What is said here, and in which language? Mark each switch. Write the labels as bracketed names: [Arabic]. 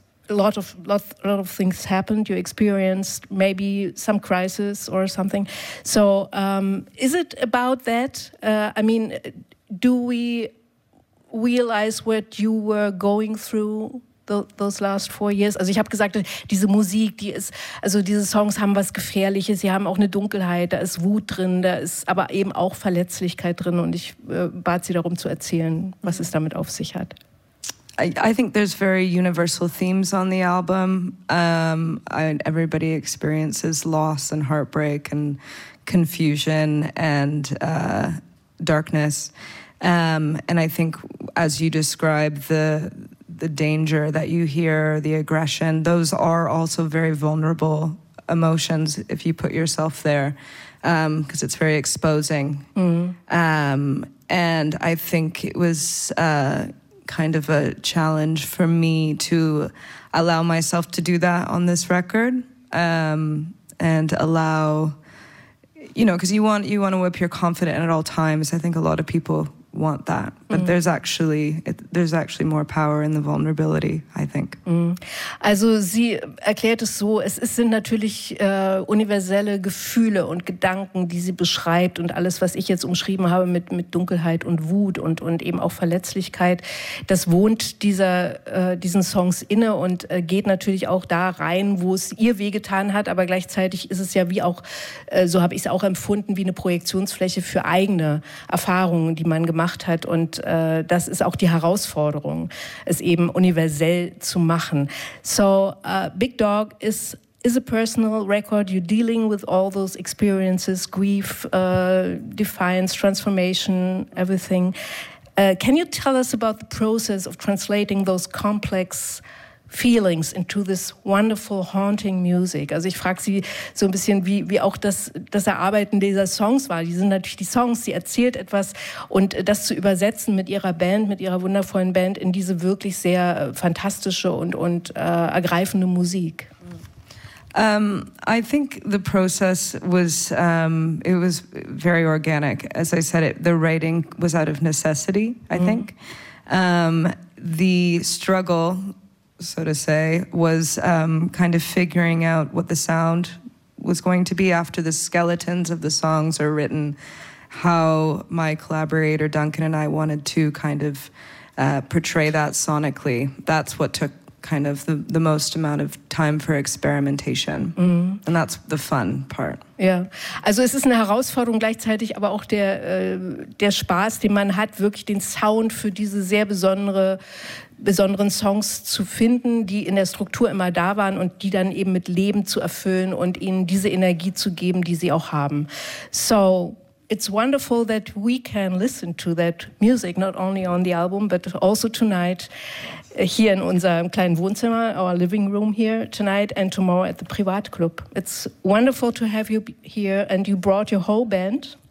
[English] A lot of things happened. You experienced maybe some crisis or something. So, is it about that? Do we realize what you were going through those last 4 years? [German] Also, ich habe gesagt, diese Musik, die ist, also diese Songs haben was Gefährliches. Sie haben auch eine Dunkelheit. Da ist Wut drin. Da ist aber eben auch Verletzlichkeit drin. Und ich bat sie darum zu erzählen, was es damit auf sich hat. [English] I think there's very universal themes on the album. Everybody experiences loss and heartbreak and confusion and darkness. And I think, as you describe, the danger that you hear, the aggression, those are also very vulnerable emotions if you put yourself there, because it's very exposing. Mm. And I think it was... kind of a challenge for me to allow myself to do that on this record and allow, you know, because you want to appear confident at all times. I think a lot of people want that, but there's actually more power in the vulnerability, I think. Mm. [German] Also sie erklärt es so, es sind natürlich universelle Gefühle und Gedanken, die sie beschreibt und alles, was ich jetzt umschrieben habe mit Dunkelheit und Wut und eben auch Verletzlichkeit, das wohnt diesen Songs inne und geht natürlich auch da rein, wo es ihr wehgetan hat, aber gleichzeitig ist es ja wie auch, so habe ich es auch empfunden, wie eine Projektionsfläche für eigene Erfahrungen, die man gemacht hat und das ist auch die Herausforderung, es eben universell zu machen. [English] So, Big Dog is a personal record. You're dealing with all those experiences, grief, defiance, transformation, everything. Can you tell us about the process of translating those complex feelings into this wonderful haunting music? [German] Also ich frage sie so ein bisschen, wie auch das Erarbeiten dieser Songs war. Die sind natürlich die Songs, sie erzählt etwas und das zu übersetzen mit ihrer Band, mit ihrer wundervollen Band in diese wirklich sehr fantastische und ergreifende Musik. [English] I think the process was, it was very organic. As I said, the writing was out of necessity, I think. The struggle, so to say, was kind of figuring out what the sound was going to be after the skeletons of the songs are written, how my collaborator Duncan and I wanted to kind of portray that sonically. That's what took kind of the most amount of time for experimentation. Mm. And that's the fun part. [German] Ja, also es ist eine Herausforderung gleichzeitig, aber auch der Spaß, den man hat, wirklich den Sound für diese sehr besonderen Songs zu finden, die in der Struktur immer da waren und die dann eben mit Leben zu erfüllen und ihnen diese Energie zu geben, die sie auch haben. [English] So, it's wonderful that we can listen to that music, not only on the album, but also tonight here [German] in unserem kleinen Wohnzimmer, [English] our living room here tonight and tomorrow at the Privatclub. It's wonderful to have you here and you brought your whole band.